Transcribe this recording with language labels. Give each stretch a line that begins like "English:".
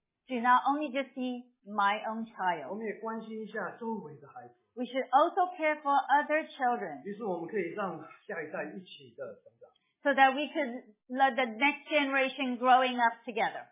English: Do not only just see my own child.
Chinese: 我们也关心一下周围的孩子。
English: We should also care for other children.
Chinese: 于是我们可以让下一代一起的成长。
English: So that we could let the next generation growing up together.